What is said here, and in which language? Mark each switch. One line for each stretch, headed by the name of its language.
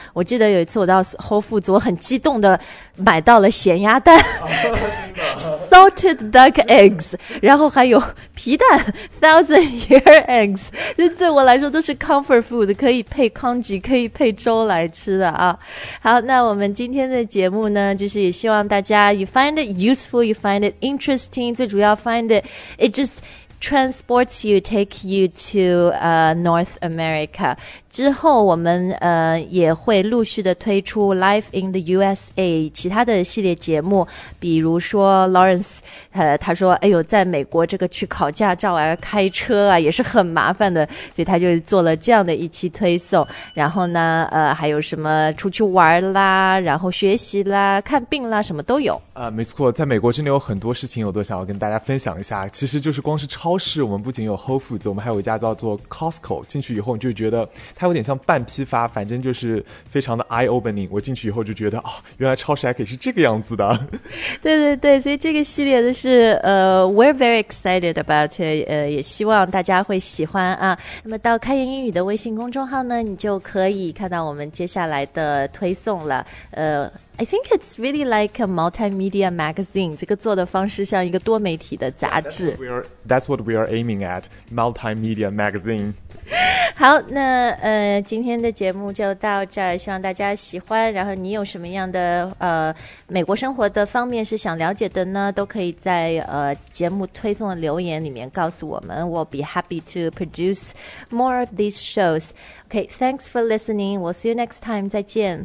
Chinese: 我记得有一次我到 Whole Foods, 我很激动的买到了咸鸭蛋。 Oh, salted duck eggs， 然后还有皮蛋
English: thousand year eggs，
Chinese: 这对我来说都是 comfort food， 可以配 congee， 可以配粥来吃的啊。好，那我们今天的节目呢，就是也希望大家
English: you find it useful， you find it interesting，
Chinese: 最主要
English: find it， it justTransports you, take you to North America.
Chinese: 之后我们也会陆续的推出 Life in the USA 其他的系列节目，比如说 Lawrence 他说哎呦，在美国这个去考驾照啊、开车啊也是很麻烦的，所以他就做了这样的一期推送。然后呢还有什么出去玩啦，然后学习啦、看病啦，什么都有。没错，在美国真的有很多事情我都想要跟大家分享一下。其实就是光是超市，我们不仅有 Whole Foods， 我们还有一家叫做 Costco， 进去以后你就觉得它有点像半批发，反正就是非常的 eye opening。我进去以后就觉得、哦、原来超市还可以是这个样子的。对对对，所以这个系列的是
English: We're very excited about it，
Chinese: 也希望大家会喜欢啊。那么到开言英语的微信公众号呢，你就可以看到我们接下来的推送了。
English: I think it's really like a multimedia magazine.
Chinese: 这个做的方式像一个多媒体的杂志。
English: Yeah, that's what we are aiming at, multimedia magazine.
Chinese: 好，那今天的节目就到这儿，希望大家喜欢。然后你有什么样的美国生活的方面是想了解的呢？都可以在节目推送的留言里面告诉我们。
English: We'll be happy to produce more of these shows. Okay, thanks for listening. We'll see you next time.
Chinese: 再见。